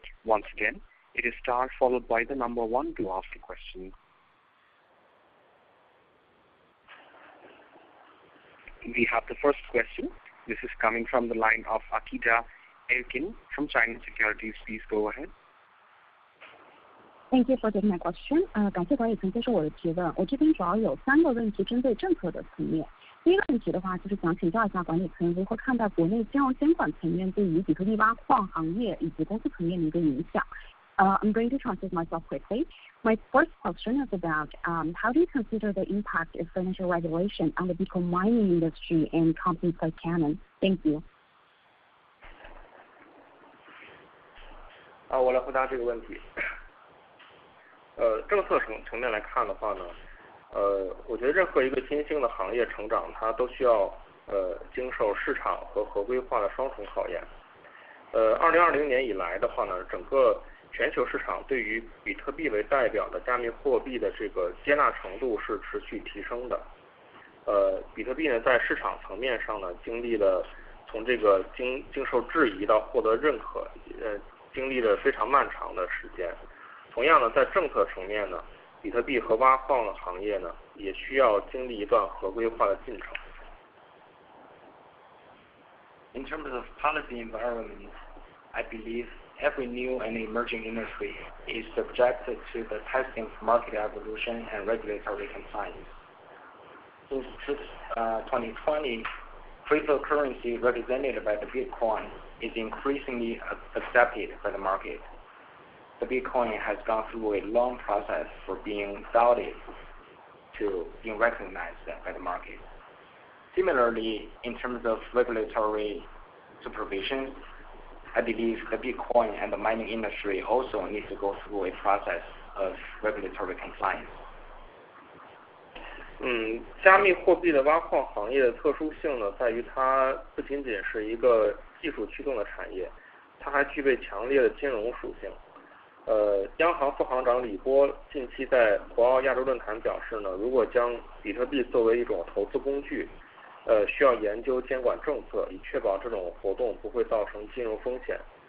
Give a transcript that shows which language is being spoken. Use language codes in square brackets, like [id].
[en] Once again, it is star followed by the number 1 to ask a question. We have the first question. This is coming from the line of Akita Elkin from China Securities. Please go ahead. Thank you for taking my question. [zh] 感谢管理层接受我的提问。我这边主要有三个问题针对政策的层面。第一个问题的话就是想请教一下管理层如何看待国内金融监管层面对于比特币挖矿行业以及公司层面的一个影响。 [en] I'm going to translate myself quickly. My first question is about how do you consider the impact of financial regulation on the Bitcoin mining industry and companies like Canon? Thank you. [zh] 我来回答这个问题。政策层面来看的话呢，我觉得任何一个新兴的行业成长，它都需要经受市场和合规化的双重考验。 2020年以来的话呢，整个全球市场对于比特币为代表的加密货币的这个接纳程度是持续提升的。比特币呢，在市场层面上呢，经历了从这个经受质疑到获得认可，经历了非常漫长的时间。同样呢，在政策层面呢，比特币和挖矿的行业呢，也需要经历一段合规化的进程。 [en] In terms of policy environment, I believe every new and emerging industry is subjected to the testing of market evolution and regulatory compliance. Since 2020, cryptocurrency represented by the Bitcoin is increasingly accepted by the market. The Bitcoin has gone through a long process for being doubted to be recognized by the market. Similarly, in terms of regulatory supervision, I believe the Bitcoin and the mining industry also need to go through a process of regulatory compliance. [zh] 加密货币的挖矿行业的特殊性呢，在于它不仅仅是一个技术驱动的产业，它还具备强烈的金融属性。央行副行长李波近期在博鳌亚洲论坛表示呢，如果将比特币作为一种投资工具，需要研究监管政策，以确保这种活动不会造成金融风险。